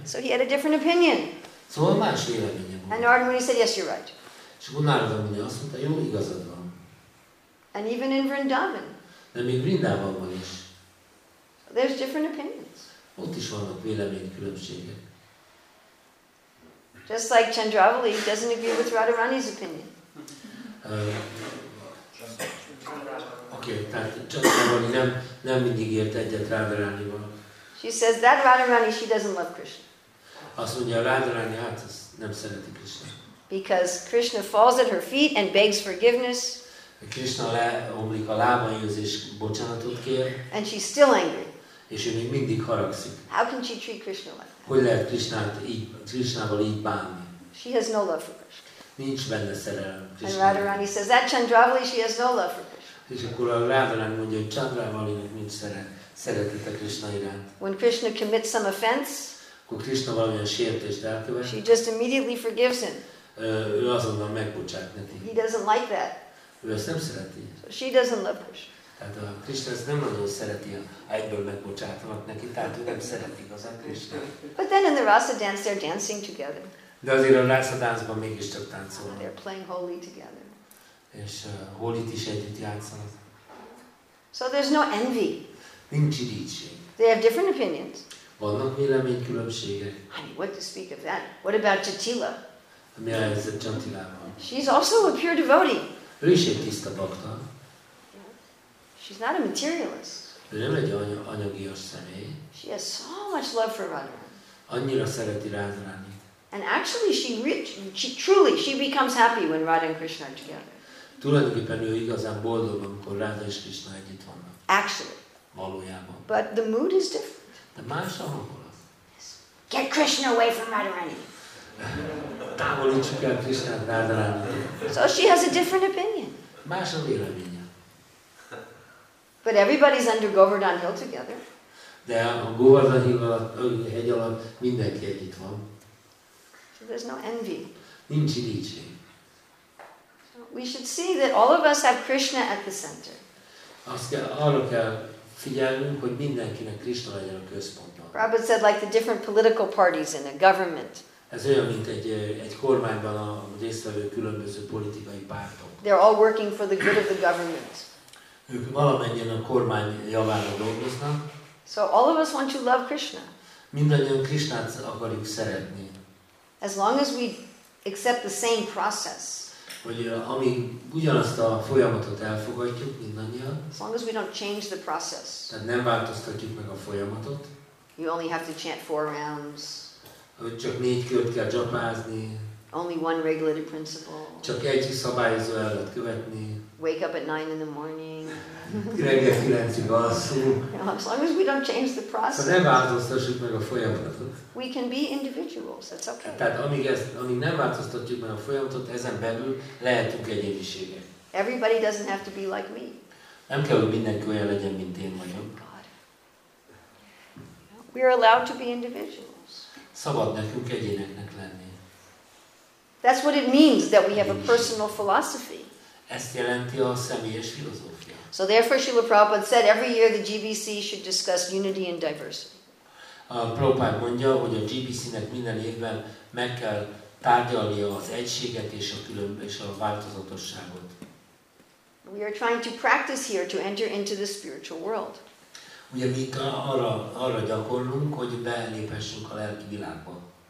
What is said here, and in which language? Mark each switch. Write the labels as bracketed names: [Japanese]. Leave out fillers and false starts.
[English] So he had a different opinion. [Hungarian] Szóval más véleménye volt. [English] And Narada Muni said, yes, you're right. [Hungarian] És akkor Narada Muni azt mondta, jó, igazad van. [English] And even in Vrindavan. [Hungarian] De még Vrindavanban is. [English] There's different opinions. [Hungarian] Ott is vannak véleménykülönbségek. [English] Just like Chandravali doesn't agree with Radharani's opinion. [Hungarian] Okay, tehát Chandravali nem mindig ért egyet Radharanival. [English] She says that Radharani, she doesn't love Krishna. [Hungarian] azt mondja, Rádarani, hát ez nem szereti Krishna. [English] Because Krishna falls at her feet and begs forgiveness. [Hungarian] Krishna leomlik a lábaihoz és bocsánatot kér. [English] And she's still angry. [Hungarian] És ő még mindig haragszik. [English] How can she treat Krishna like that? [Hungarian] Hogy lehet Krishnát így, Krishnával így bánni? [English] She has no love for Krishna. [Hungarian] Nincs benne szerelem Krishna. [English] And Rádarani says, that Chandravali, she has no love for Krishna. [Hungarian] És akkor a Rádarani mondja, hogy Chandravalinak nincs szeretete Krishna iránt. [English] When Krishna commits some offense, [Hungarian] akkor Krishna valamilyen sértést elkövet, [English] she just immediately forgives him. [Hungarian] Ő azonnal megbocsát neki. [English] He doesn't like that. [Hungarian] Ő ezt nem szereti. [English] So she doesn't love Krishna. [Hungarian] Tehát a Krishna ezt nem nagyon szereti, ha egyből megbocsátanak neki, tehát ő nem szereti igazán Krishna. [English] But then in the Rasa dance they're dancing together. [Hungarian] De azért a Rasa dance-ban mégiscsak táncolnak. [English] They're playing holy together. [Hungarian] És holit is együtt játszanak. [English] So there's no envy. [Hungarian] Nincs irítség. [English] They have different opinions. [Hungarian] Vannak vélemény különbségek. [English] Honey, what to speak of that? What about Jatila? [Hungarian] Mi a helyzet Jatilával? [English] She's also a pure devotee. [Hungarian] Ő is egy tiszta bakta. [English] She's not a materialist. [Hungarian] Ő nem egy anyagias személy. [English] She has so much love for Radharani. [Hungarian] Annyira szereti Radharani. [English] And actually she becomes happy when Radha and Krishna are together. [Hungarian] Tulajdonképpen ő igazán boldog, amikor Radha és Krishna együtt vannak. [English] Actually. [Hungarian] Valójában. [English] But the mood is different. [Hungarian] De más a hangulat. [English] Get Krishna away from Radharani. [Hungarian] Távolítsuk el Krishnát Radharani. [English] So she has a different opinion. [Hungarian] Más a véleménye. [English] But everybody's under Govardhan Hill together. [Hungarian] De a Govardhan Hill hegy alatt mindenki együtt van. [English] So there's no envy. [Hungarian] Nincs irítség. [English] So we should see that all of us have Krishna at the center. [Hungarian] Azt kell, arra kell figyelnünk, hogy mindenkinek Krishna legyen a központban. [English] Prabhupada said like the different political parties in a government. [Hungarian] Ez olyan, mint egy kormányban a résztvevő különböző politikai pártok. [English] They're all working for the good of the government. [Hungarian] Ők valamennyien a kormány javára dolgoznak. [English] So all of us want to love Krishna. [Hungarian] Mindannyian Krishnát akarjuk szeretni. [English] As long as we accept the same process. [Hungarian] Hogy amíg ugyanazt a folyamatot elfogadjuk mindannyian. [English] As long as we don't change the process. [Hungarian] Tehát nem változtatjuk meg a folyamatot. [English] You only have to chant four rounds. [Hungarian] Hogy csak négy kört kell japázni. [English] Only one regulative principle. [Hungarian] Csak egy szabályozó elvet követni. [English] Wake up at 9 in the morning. [Hungarian] Reggel 9-ig alszunk. [English] As long as we don't change the process. [Hungarian] Ha nem változtassuk meg a folyamatot. [English] We can be individuals, that's okay. [Hungarian] Tehát amíg nem változtatjuk meg a folyamatot, ezen belül lehetünk egyéniségek. [English] Everybody doesn't have to be like me. [Hungarian] Nem kell, hogy mindenki olyan legyen, mint én vagyok. [English] God. We are allowed to be individuals. [Hungarian] Szabad nekünk egyéneknek lenni. [English] That's what it means that we have a personal philosophy. [Hungarian] Ezt jelenti a személyes filozófia. [English] So therefore Srila Prabhupada said every year the GBC should discuss unity and diversity. [Hungarian] A Prabhupada mondja, hogy a GBC-nek minden évben meg kell tárgyalnia az egységet és a változatosságot. [English] We are trying to practice here to enter into the spiritual world. [Hungarian] Ugye mi arra gyakorlunk, hogy beléphessünk a lelki világba.